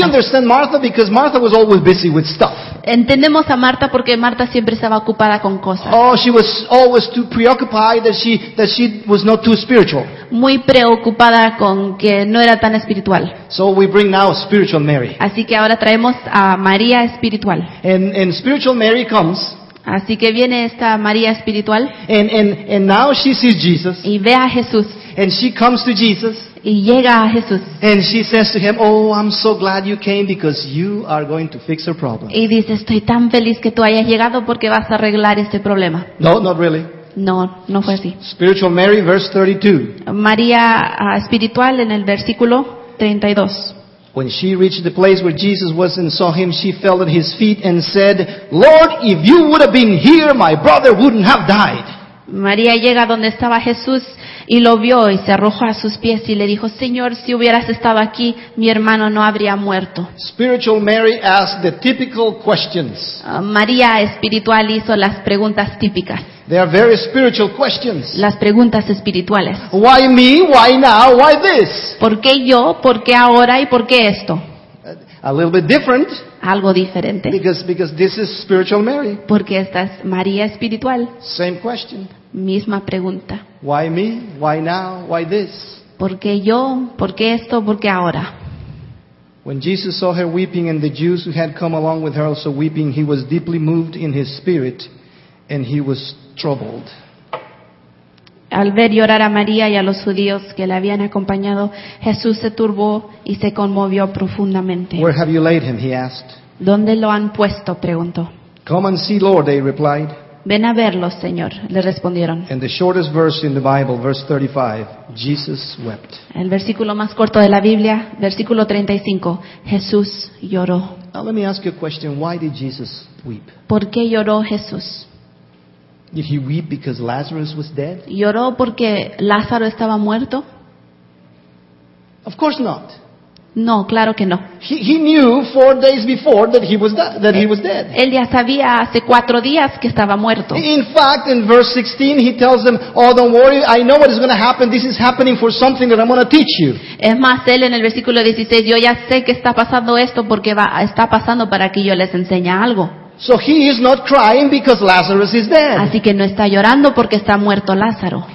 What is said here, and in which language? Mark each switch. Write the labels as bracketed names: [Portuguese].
[English] We understand Martha because Martha was always busy with stuff. [Spanish] Entendemos a Marta porque Marta siempre estaba ocupada con cosas. [English] Oh, she was always too preoccupied that she was not too spiritual. [Spanish] Muy preocupada con que no era tan espiritual. [English] So we bring now spiritual Mary. [Spanish] Así que ahora traemos a María espiritual. [English] And spiritual Mary comes. [Spanish] Así que viene esta María espiritual. [English] And now she sees Jesus. [Spanish] Y ve a Jesús. [English] And she comes to Jesus. [Spanish] Y llega a Jesús. [English] And she says to him, "Oh, I'm so glad you came because you are going to fix her problem." [Spanish] Y dice, "Estoy tan feliz que tú hayas llegado porque vas a arreglar este problema." [English] No, not really. [Spanish] No, no fue así. [English] Spiritual Mary, verse 32. [Spanish] María espiritual en el versículo 32. [English] When she reached the place where Jesus was and saw him, she fell at his feet and said, Lord, if you would have been here, my brother wouldn't have died. [Spanish] María llega donde estaba Jesús y lo vio y se arrojó a sus pies y le dijo, Señor, si hubieras estado aquí, mi hermano no habría muerto. [English] Spiritual Mary asked the typical questions. [Spanish] María espiritual hizo las preguntas típicas. [English] They are very spiritual questions. [Spanish] Las preguntas espirituales. [English] Why me? Why now? Why this? [Spanish] ¿Por qué yo? ¿Por qué ahora? ¿Y por qué esto? [English] A little bit different. [Spanish] Algo diferente. [English] Because this is spiritual Mary. [Spanish] Porque esta es María espiritual. [English] Same question. [Spanish] Misma pregunta. [English] Why me? Why now? Why this? [Spanish] ¿Por qué yo? ¿Por qué esto? ¿Por qué ahora? [English] When Jesus saw her weeping and the Jews who had come along with her also weeping, he was deeply moved in his spirit. And he was troubled. [Spanish] Al ver llorar a María y a los judíos que le habían acompañado, Jesús se turbó y se conmovió profundamente. [English] Where have you laid him? He asked. [Spanish] ¿Dónde lo han puesto? Preguntó. [English] Come and see, Lord, they replied. [Spanish] Ven a verlo, Señor, le respondieron. [English] And the shortest verse in the Bible, verse 35, Jesus wept. [Spanish] El versículo más corto de la Biblia, versículo 35, Jesús lloró. [English] Now let me ask you a question. Why did Jesus weep? [Spanish] ¿Por qué lloró Jesús? [English] Did he weep because Lazarus was dead? [Spanish] ¿Lloró porque Lázaro estaba muerto? [English] Of course not. [Spanish] No, claro que no. [English] He knew 4 days before that he was dead. [Spanish] Él ya sabía hace 4 días que estaba muerto. [English] In fact, in verse 16, he tells them, "Oh, don't worry. I know what is going to happen. This is happening for something that I'm going to teach you." [Spanish] Es más, él en el versículo 16, yo ya sé que está pasando esto porque está pasando para que yo les enseñe algo. [English] So he is not crying because Lazarus is dead. [Spanish] Así que no está llorando porque está muerto Lázaro.